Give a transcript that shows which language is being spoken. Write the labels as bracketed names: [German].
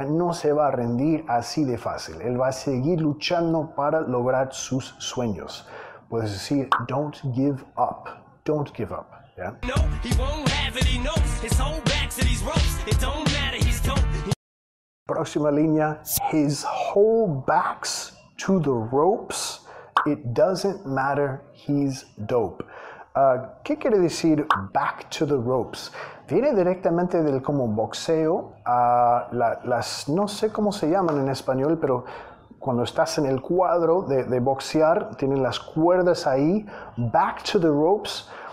[Spanish] No se va a rendir así de fácil. Él va a seguir luchando para lograr sus sueños. Puedes decir, [English] don't give up. Don't give up. ¿Ya? No, he won't have it. He knows his whole back's at his ropes. It don't matter. He's dope. [Spanish] Próxima línea. [English] His whole back's to the ropes. It doesn't matter. He's dope. [Spanish] ¿Qué quiere decir back to the ropes? Viene directamente del como boxeo, las no sé cómo se llaman en español, pero cuando estás en el cuadro de boxear, tienen las cuerdas ahí, back to the ropes.